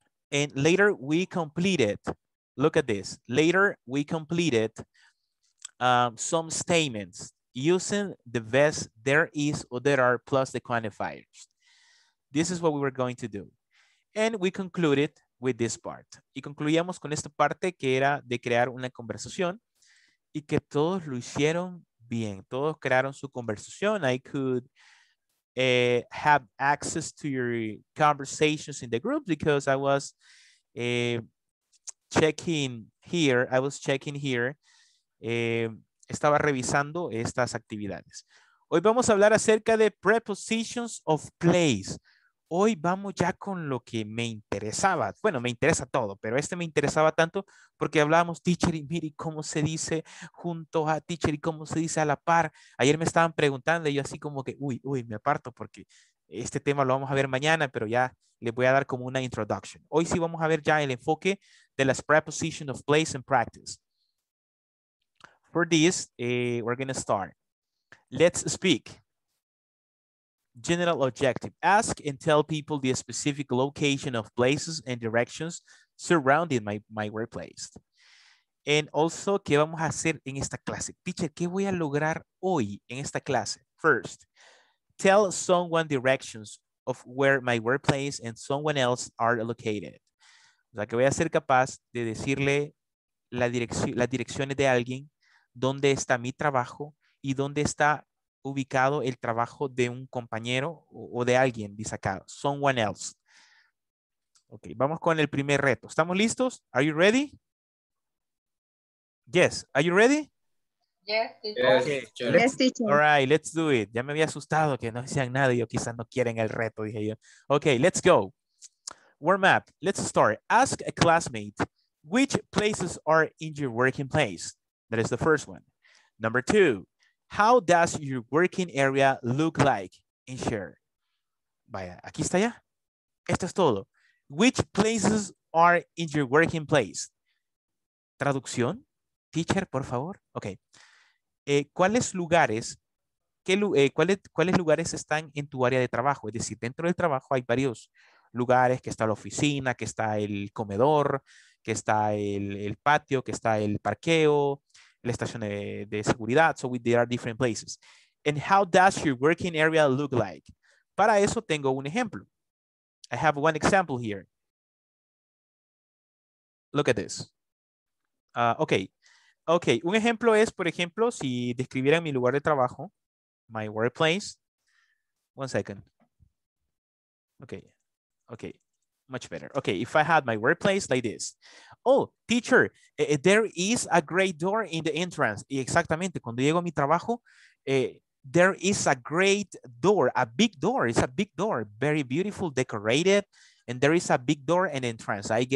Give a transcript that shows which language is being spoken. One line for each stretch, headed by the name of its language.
English: And later we completed, look at this. Later we completed some statements using the best there is or there are plus the quantifiers. This is what we were going to do. And we concluded with this part.
Spanish: Y concluíamos con esta parte que era de crear una conversación y que todos lo hicieron bien. Todos crearon su conversación.
English: I could have access to your conversations in the group because I was checking here. I was checking here.
Spanish: Estaba revisando estas actividades. Hoy vamos a hablar acerca de prepositions of place. Hoy vamos ya con lo que me interesaba. Bueno, me interesa todo, pero este me interesaba tanto porque hablábamos, teacher, y mire cómo se dice junto a teacher y cómo se dice a la par. Ayer me estaban preguntando y yo así como que, uy, me aparto porque este tema lo vamos a ver mañana, pero ya les voy a dar como una introduction. Hoy sí vamos a ver ya el enfoque de las preposition of place and practice. For this, we're going to start. Let's speak. General objective.
English: Ask and tell people the specific location of places and directions surrounding my workplace. And also,
Spanish: ¿qué vamos a hacer en esta clase? Teacher, ¿qué voy a lograr hoy en esta clase?
English: First, tell someone directions of where my workplace and someone else are located.
Spanish: O sea, que voy a ser capaz de decirle las direcciones de alguien, dónde está mi trabajo y dónde está ubicado el trabajo de un compañero o de alguien, dice acá,
English: someone else.
Spanish: Ok, vamos con el primer reto. ¿Estamos listos?
English: Are you ready? Yes, are you ready? Yes, teacher. Okay. Yes, teacher. All right, let's do it.
Spanish: Ya me había asustado que no decían nada y yo quizás no quieren el reto, dije yo.
English: Ok, let's go. Warm up. Let's start. Ask a classmate, which places are in your working place? That is the first one. Number two, how does your working area look like? And share.
Spanish: Vaya, aquí está ya. Esto es todo.
English: Which places are in your working place? Traducción. Teacher,
Spanish: por favor.
English: Ok.
Spanish: ¿Cuáles lugares están en tu área de trabajo? Es decir, dentro del trabajo hay varios lugares, que está la oficina, que está el comedor, que está el patio, que está el parqueo, la estación de seguridad.
English: So there are different places. And how does your working area look like?
Spanish: Para eso tengo un ejemplo.
English: I have one example here. Look at this.
Spanish: Okay, un ejemplo es, por ejemplo, si describieran mi lugar de trabajo,
English: my workplace. One second. Okay, much better. Okay, if I had my workplace like this. Oh, teacher, there is a great door in the entrance.
Spanish: Y exactamente, cuando llego a mi trabajo,
English: there is a great door, a big door. It's a big door, very beautiful, decorated. And there is a big door in the entrance.